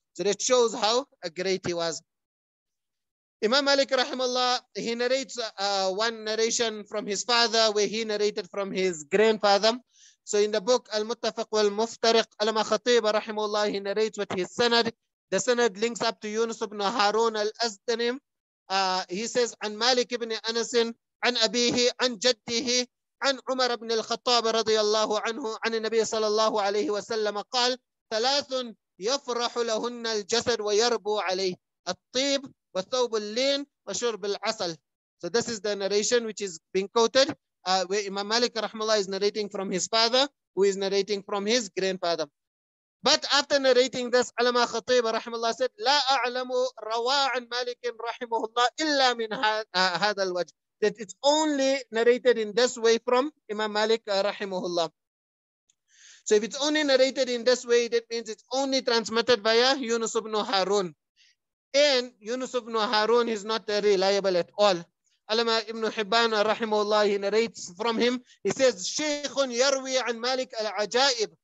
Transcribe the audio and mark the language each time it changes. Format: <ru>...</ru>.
<en>So that shows how great he was. Imam Malik rahimahullah, he narrates one narration from his father where he narrated from his grandfather. So in the book Al-Muttafaq wal-Muftariq, Alama Khatib rahimahullah, he narrates with his sanad. The sanad links up to Yunus ibn Harun al-Azdanim. He says,</en> <ar>عن Malik ibn Anas, عن أبيه, عن جده, عن عمر ibn al-Khattab رضي الله عنه, عن النبي صلى الله عليه وسلم قال, ثلاث يفرح لهن الجسد ويربو عليه الطيب والثوب اللين وشرب العسل.</ar> <en>So this is the narration which is being quoted where Imam Malik rahimahullah is narrating from his father, who is narrating from his grandfather. But after narrating this, Alama Khatib rahimahullah said,</en> <ar>لا أعلم رواع مالك رحمه الله إلا من هذا الوجه.</ar> <en>That it's only narrated in this way from Imam Malik rahimahullah. So if it's only narrated in this way, that means it's only transmitted via Yunus ibn Harun. And Yunus ibn Harun is not reliable at all. Alama ibn Hibban rahimahullah, he narrates from him. He says,</en> <ar>Shaykhun yarwi an Malik al-ajaib.</ar>